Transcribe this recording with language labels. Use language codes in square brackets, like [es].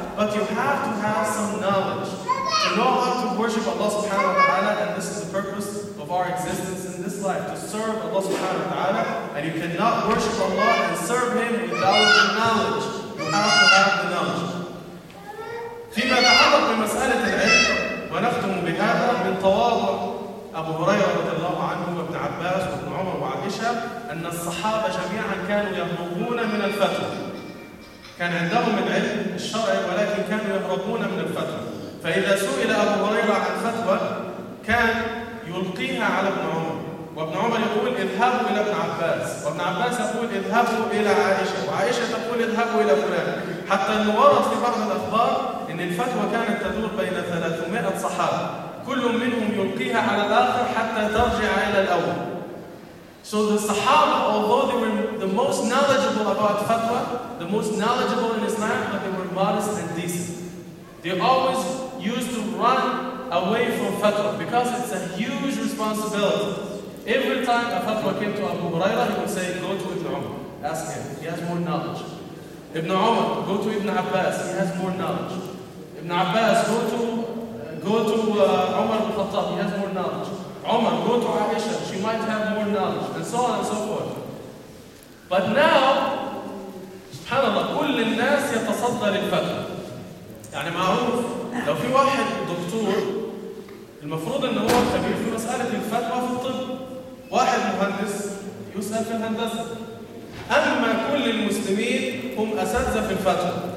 [en] But you have to have some knowledge to know how to worship Allah subhanahu wa ta'ala. And this is the purpose of our existence in this life, to serve Allah subhanahu wa ta'ala. And you cannot worship Allah and serve Him without the knowledge. You have to have the knowledge. [ar] فيما تعلق بمسألة العلم ونختم بهذا من تواضع أبو هريرة رضي الله عنه وابن عباس وابن عمر وعائشة أن الصحابة جميعا كانوا يهربون من الفتوى. كان عندهم العلم الشرعي ولكن كانوا يهربون من الفتوى. فإذا سئل أبو هريرة عن فتوى كان يلقيها على ابن عمر، وابن عمر يقول: "اذهبوا إلى ابن عباس"، وابن عباس يقول: "اذهبوا إلى عائشة"، وعائشة تقول: "اذهبوا إلى فلان". حتى أنه ورد في بعض الأخبار أن الفتوى كانت تدور بين 300 صحابة، كل منهم يلقيها على الآخر حتى ترجع إلى الأول. [en] So the Sahaba, although they were the most knowledgeable about fatwa, the most knowledgeable in Islam, but they were modest and decent. They always used to run away from fatwa because it's a huge responsibility. Every time a fatwa came to Abu Huraira, he would say, go to Ibn Umar, ask him, he has more knowledge. Ibn Umar, go to Ibn Abbas, he has more knowledge. Ibn Abbas, go to Umar ibn Khattab, he has more knowledge. Umar, go to Aisha, she might have more knowledge, and so on and so forth. But now, [ar] subhanAllah, كل الناس يتصدى للفتوى. يعني معروف, لو في واحد دكتور, المفروض أنه هو كبير في مسألة الفتوى في الطب. واحد مهندس يسأل في الهندسة. أما كل المسلمين هم أساتذة في الفتوى.